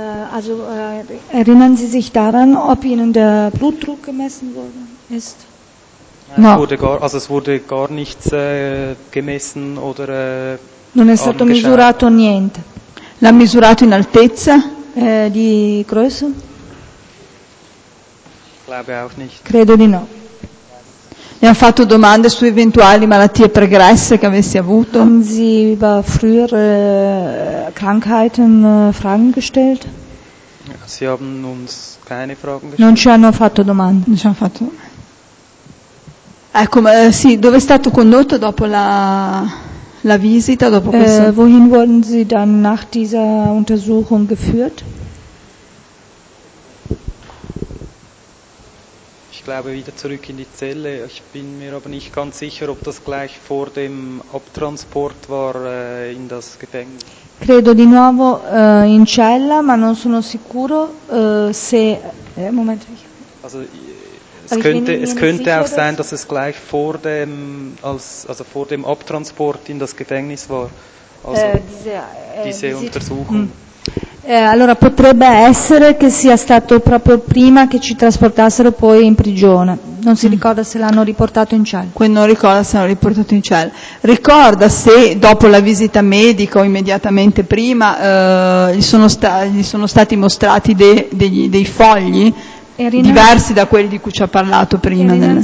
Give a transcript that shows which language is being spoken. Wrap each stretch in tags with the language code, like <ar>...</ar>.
<de>Also erinnern Sie sich daran, ob Ihnen der Blutdruck gemessen worden ist?</de> <it>No.</it> <de>Es wurde gar nichts gemessen oder</de> <it>Non è stato misurato niente. L'ha misurato in altezza? Di grosso?</it> <de>Glaube auch nicht.</de> <it>Credo di no. Le ha fatto domande su eventuali malattie pregresse che avessi avuto?</it> <de>Haben Sie über frühere Krankheiten Fragen gestellt? Sie haben uns keine Fragen gestellt.</de> <it>Non ci hanno fatto domande. Non ci hanno fatto. Ecco, sì, dove è stato condotto dopo la visita, dopo questo?</it> <de>Wohin wurden Sie dann nach dieser Untersuchung geführt? ich glaube, wieder zurück in die Zelle. Ich bin mir aber nicht ganz sicher, ob das gleich vor dem Abtransport war in das Gefängnis.</de> <it>Credo di nuovo in cella, ma non sono sicuro se...</it> <de>Moment. Also, es könnte auch sein, dass es gleich vor dem, also vor dem Abtransport in das Gefängnis war. Also diese Untersuchung.</de> <it>Allora potrebbe essere che sia stato proprio prima che ci trasportassero poi in prigione. Non si ricorda se l'hanno riportato in cella. Quindi non ricorda se l'hanno riportato in cella. Ricorda se dopo la visita medica o immediatamente prima gli sono stati mostrati dei fogli diversi da quelli di cui ci ha parlato prima.</it>